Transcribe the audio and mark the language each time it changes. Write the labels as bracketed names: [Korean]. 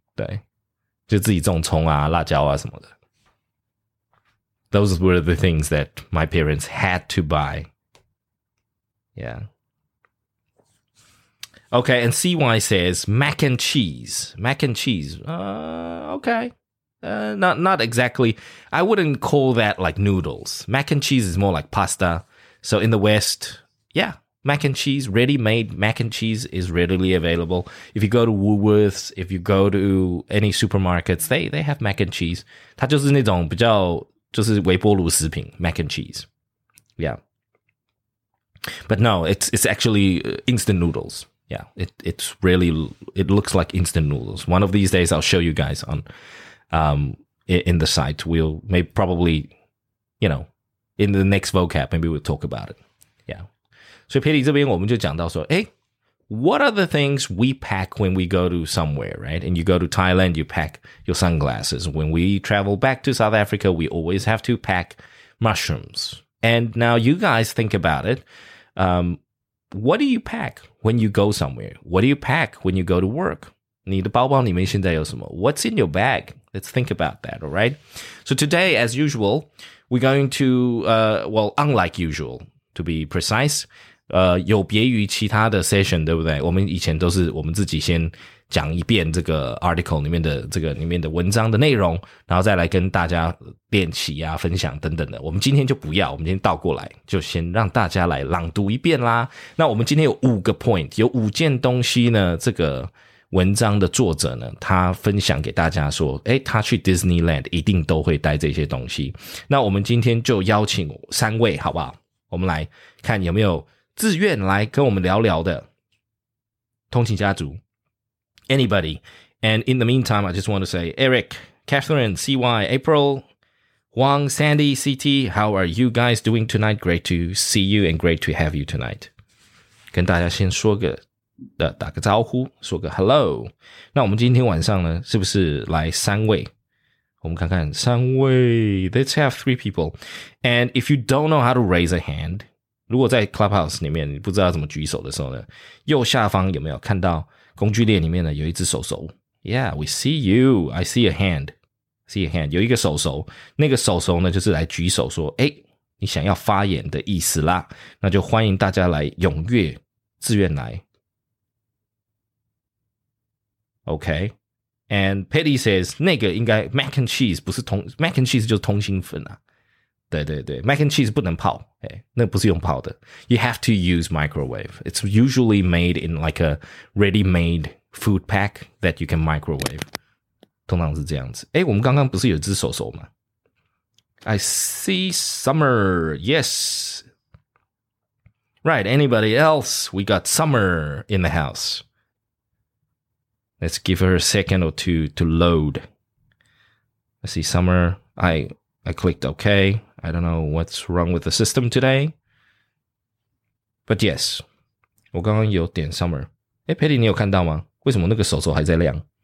[Chinese] 对，就自己种葱啊、辣椒啊什么的。 [English] Those were the things that my parents had to buy. Yeah. Okay, and CY says mac and cheese. Mac and cheese. Okay. Not exactly. I wouldn't call that like noodles. Mac and cheese is more like pasta. So in the West, yeah, mac and cheese, ready-made mac and cheese is readily available. If you go to Woolworths, if you go to any supermarkets, they have mac and cheese. [Chinese] 它就是那种比较就是微波炉食品 mac and cheese. [English] Yeah. But no, it's actually instant noodles. Yeah, it looks like instant noodles. One of these days, I'll show you guys on... in the site, we'll may probably, you know, in the next vocab, maybe we'll talk about it. Yeah. So, Pity, [Chinese] 这边我们就讲到说，欸, [English] what are the things we pack when we go to somewhere, right? And you go to Thailand, you pack your sunglasses. When we travel back to South Africa, we always have to pack mushrooms. And now you guys think about it. What do you pack when you go somewhere? What do you pack when you go to work? [Chinese] 你的包包里面现在有什么? [English] What's in your bag? Let's think about that, all right? So today, as usual, we're going to, well, unlike usual, to be precise, [Chinese] 有别于其他的 session, 对不对? 我们以前都是我们自己先讲一遍这个 article 里面的这个里面的文章的内容,然后再来跟大家练习啊,分享等等的。我们今天就不要,我们今天倒过来,就先让大家来朗读一遍啦。那我们今天有五个 point, 有五件东西呢,这个文章的作者呢，他分享给大家说，欸，他去 Disneyland 一定都会带这些东西。那我们今天就邀请三位，好不好？我们来看有没有自愿来跟我们聊聊的通勤家族 ，anybody。 [English] And in the meantime, I just want to say, Eric, Catherine, CY, April, Wang, Sandy, CT, how are you guys doing tonight? Great to see you and great to have you tonight. [Chinese] 跟大家先说个。打个招呼，说个 hello。那我们今天晚上呢，是不是来三位？我们看看三位。 [English] Let's have three people. And if you don't know how to raise a hand, [Chinese] 如果在 Clubhouse 里面你不知道怎么举手的时候呢，右下方有没有看到工具列里面呢有一只手手？ [English] Yeah, we see you. I see a hand. See a hand. [Chinese] 有一个手手，那个手手呢就是来举手说，欸，你想要发言的意思啦。那就欢迎大家来踊跃自愿来。 [English] Okay, and Patty says [Chinese] 那个应该 mac and cheese 不是通 mac and cheese 就是通心粉啊，对对对 ，mac and cheese 不能泡，哎，那不是用泡的。 [English] You have to use microwave. It's usually made in like a ready-made food pack that you can microwave. [Chinese] 通常是这样子。哎，我们刚刚不是有只手手吗 ？ [English] I see summer. Yes. Right. Anybody else? We got summer in the house. Let's give her a second or two to load. I see summer. I clicked OK. I don't know what's wrong with the system today. But yes, [Chinese] 我刚刚有点 summer. 诶 Patty, 你有看到吗？为什么那个手手还在亮？